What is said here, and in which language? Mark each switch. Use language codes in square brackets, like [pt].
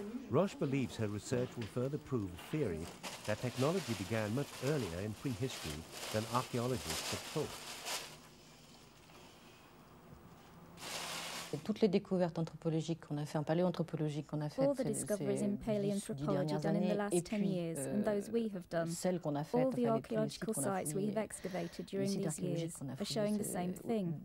[en] Roche believes her research will further prove a theory that technology began much earlier in prehistory than archaeologists have thought. [fr] Toutes les découvertes anthropologiques qu'on a fait en paléoanthropologie qu'on a fait [en] all the discoveries in paleoanthropology done in the last 10 years and those we have done [fr] celles qu'on a fait, [en] all the archaeological sites we have excavated during these years are showing the same thing